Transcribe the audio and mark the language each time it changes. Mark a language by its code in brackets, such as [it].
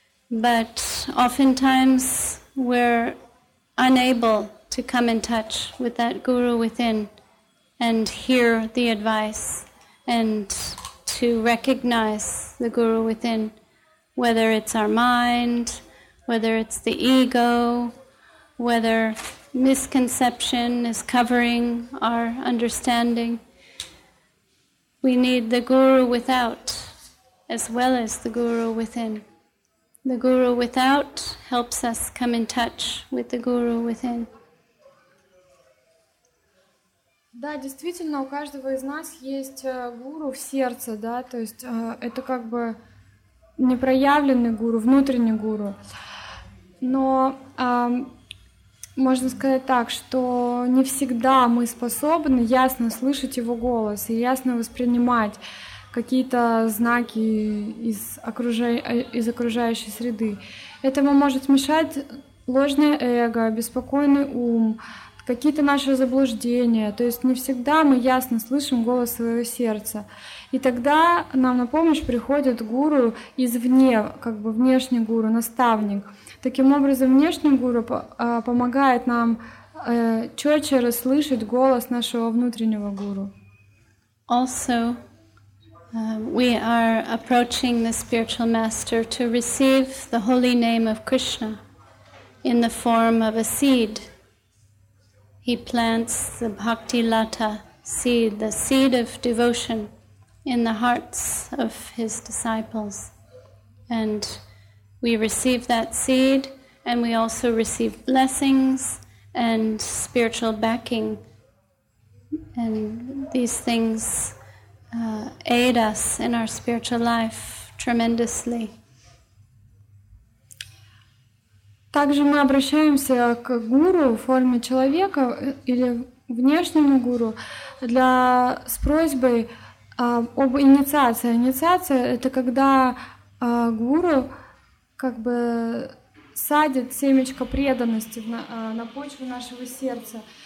[en] But oftentimes we're unable to come in touch with that Guru within and hear the advice and to recognize the guru within, whether it's our mind, whether it's the ego, whether misconception is covering our understanding. We need the guru without as well as the guru within. The guru without helps us come in touch with the guru within. [ru] Да, действительно, у каждого из нас есть гуру в сердце, да, то есть это как бы непроявленный гуру, внутренний гуру. Но можно сказать так, что не всегда мы способны ясно слышать его голос и ясно воспринимать какие-то знаки из окружающей среды. Этому может мешать ложное эго, беспокойный ум, какие-то наши заблуждения, то есть не всегда мы ясно слышим голос своего сердца. И тогда нам на помощь приходит гуру извне, как бы внешний гуру, наставник. Таким образом, внешний гуру помогает нам четче расслышать голос нашего внутреннего гуру. [en] Also, we are approaching the spiritual master to receive the holy name of Krishna in the form of a seed. He plants the bhakti lata seed, the seed of devotion, in the hearts of his disciples. And we receive that seed, and we also receive blessings and spiritual backing. And these things aid us in our spiritual life tremendously. [ru] Также мы обращаемся к гуру в форме человека или внешнему гуру с просьбой об инициации. Инициация — это когда гуру как бы садит семечко преданности на почву нашего сердца.